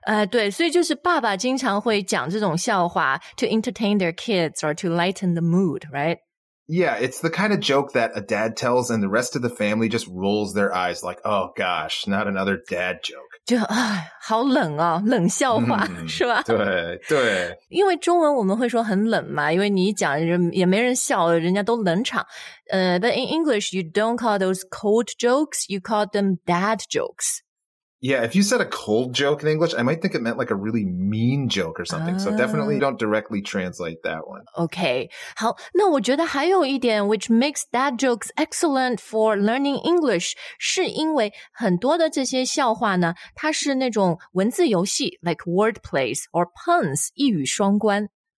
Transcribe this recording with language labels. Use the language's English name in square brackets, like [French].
[Chinese] 对，所以就是爸爸经常会讲这种笑话 [English] to entertain their kids or to lighten the mood, [Chinese] right? [English] Yeah, it's the kind of joke that a dad tells and the rest of the family just rolls their eyes like, oh gosh, not another dad joke. [Chinese] 就好冷哦，冷笑话是吧？对对。因为中文我们会说很冷嘛，因为你讲也没人笑，人家都冷场。 [English] But in English, you don't call those cold jokes, you call them dad jokes. Yeah, if you said a cold joke in English, I might think it meant like a really mean joke or something. So definitely don't directly translate that one. [Chinese] Okay. 好，那我觉得还有一点 [English] which makes dad jokes excellent for learning English [Chinese] 是因为很多的这些笑话呢，它是那种文字游戏 [English] like wordplays or puns, [Chinese] 一语双关。